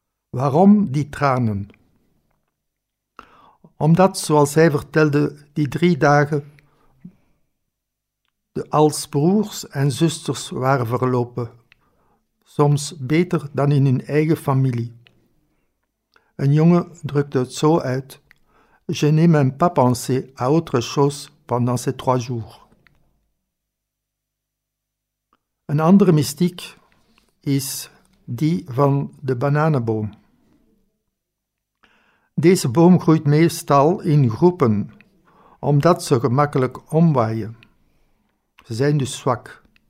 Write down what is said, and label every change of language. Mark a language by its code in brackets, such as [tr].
[nl] Waarom die tranen? Omdat, zoals hij vertelde, die 3 dagen als broers en zusters waren verlopen, soms beter dan in hun eigen familie. Een jongen drukte het zo uit: [fr] Je n'ai même pas pensé à autre chose pendant ces 3 jours. [nl] Een andere mystiek is die van de bananenboom. Deze boom groeit meestal in groepen, omdat ze gemakkelijk omwaaien. Ze zijn dus zwak.